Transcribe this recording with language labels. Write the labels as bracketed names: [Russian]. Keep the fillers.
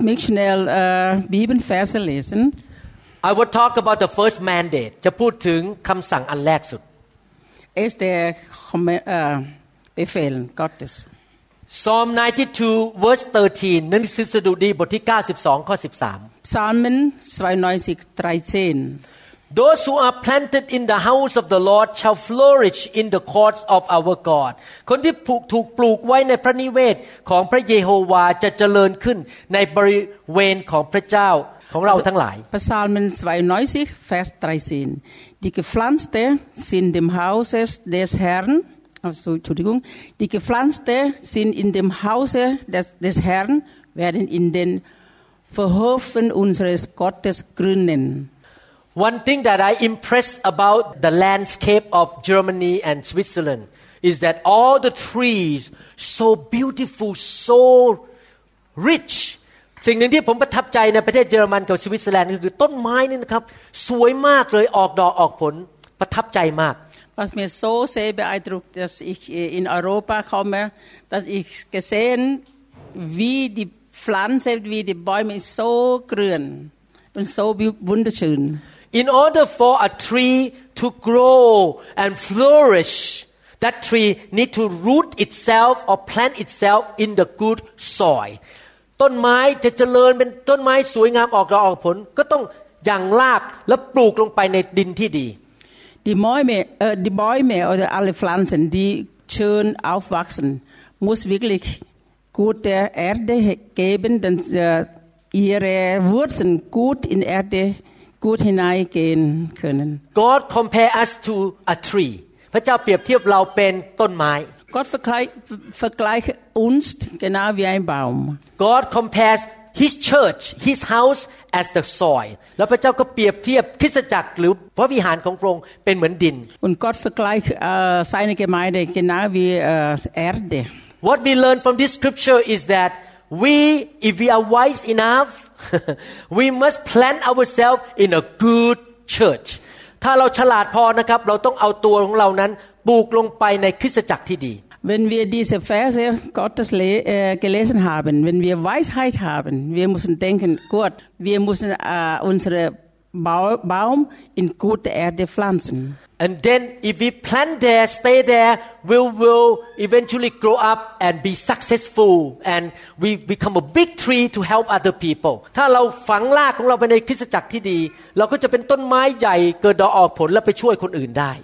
[German] Lass mich schnell äh, Bibelverse lesen. [English] I will talk about the first mandate [Thai] จะพูดถึงคำสั่งอันแรกสุด [German] Ist der Komm- äh, Befehl Gottes. [English] Psalm 92 verse 13 [Thai] หนังสือสดุดีบทที่ 92 ข้อ [German] Psalmen 92, 13. [English] 13 Those who are planted in the house of the Lord shall flourish in the courts of our God [Thai] คนที่ผูกถูกปลูกไว้ในพระนิเวศของพระเยโฮวาห์จะเจริญขึ้นในบริเวณของพระเจ้าของเราทั้งหลาย [German] Psalmen 92, Vers 13. Die Gepflanzte sind im Hause des Herrn, also, Entschuldigung, die Gepflanzte sind in dem Hause des, des Herrn, werden in den Verhofen unseres Gottes grünen. [English] One thing that I impress about the landscape of Germany and Switzerland is that all the trees so beautiful, so rich [Thai] สิ่งหนึ่งที่ผมประทับใจในประเทศเยอรมันกับสวิตเซอร์แลนด์ก็คือต้นไม้นี่นะครับ สวยมากเลยออกดอกออกผลประทับใจมาก [German] Was mir so sehr beeindruckt, dass ich äh, in Europa komme, dass ich gesehen, wie die Pflanze, wie die Bäume ist so grün und so wi- wunderschön. [English] In order for a tree to grow and flourish that tree need to root itself or plant itself in the good soil [Thai] ต้นไม้จะเจริญเป็นต้นไม้สวยงามออกดอกออกผล ก็ต้องหยั่งรากและปลูกลงไปในดินที่ดี [German] Die Bäume, äh, die Bäume oder alle Pflanzen, die schön aufwachsen, muss wirklich gute Erde he- geben, denn äh, ihre Wurzeln gut in Erde gut hineingehen können. [English] God compare us to a tree [Thai] พระเจ้าเปรียบเทียบเราเป็นต้นไม้ [German] Gott vergleicht vergleicht uns genau wie ein Baum. [English] God compares His church His house as the soil [Thai] แล้วพระเจ้าก็เปรียบเทียบคริสตจักรหรือพระวิหารของพระองค์เป็นเหมือนดิน [German] Und Gott vergleicht äh, seine Gemeinde genau wie äh, Erde. [English] What we learn from this scripture is that we, if we are wise enough, we must plant ourselves in a good church. [Thai] ถ้าเราฉลาดพอนะครับ เราต้องเอาตัวของเรานั้นปลูกลงไปในคริสตจักรที่ดี [German] Wenn wir diese Verse Gottes le äh, gelesen haben, wenn wir Weisheit haben, wir müssen denken, gut, wir müssen äh, unsere Bau Baum in gute Erde pflanzen. [English] and then if we plant there stay there we will eventually grow up and be successful and we become a big tree to help other people [Thai] ถ้าเราฝังรากของเราไปในคริสตจักรที่ดี เราก็จะเป็นต้นไม้ใหญ่เกิดดอกออกผลและไปช่วยคนอื่นได้